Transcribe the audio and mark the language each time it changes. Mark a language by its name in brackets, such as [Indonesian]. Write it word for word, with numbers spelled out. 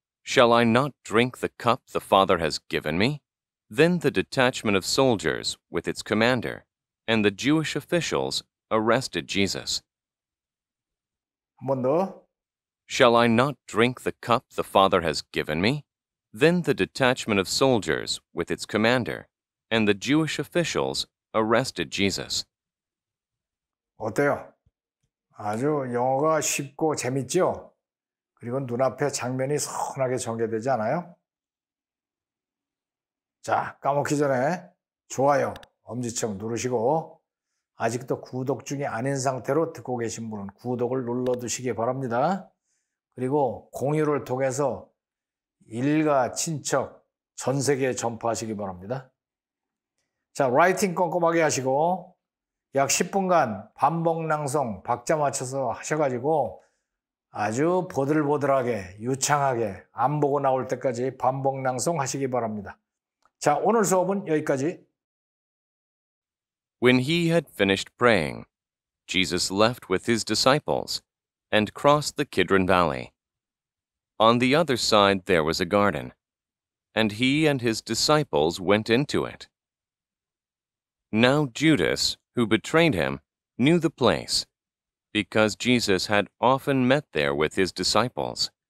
[English] Shall I not drink the cup the Father has given me? Then the detachment of soldiers with its commander and the Jewish officials arrested Jesus. [Korean] 한 번 더. [English] Shall I not drink the cup the Father has given me? Then the detachment of soldiers with its commander and the Jewish officials arrested Jesus. [Korean] 어때요? 아주 영어가 쉽고 재밌죠? 그리고 눈앞에 장면이 선하게 전개되지 않아요? 자, 까먹기 전에 좋아요, 엄지척 누르시고 아직도 구독 중이 아닌 상태로 듣고 계신 분은 구독을 눌러두시기 바랍니다. 그리고 공유를 통해서 일가, 친척, 전 세계에 전파하시기 바랍니다. 자, 라이팅 꼼꼼하게 하시고 약 십 분간 반복 낭송 박자 맞춰서 하셔가지고 아주 보들보들하게 유창하게 안 보고 나올 때까지 반복 낭송 하시기 바랍니다. 자, 오늘 수업은 여기까지. [English] When he had finished praying, Jesus left with his disciples and crossed the Kidron Valley. On the other side there was a garden, and he and his disciples went into it. Now Judas, who betrayed him, knew the place, because Jesus had often met there with his disciples.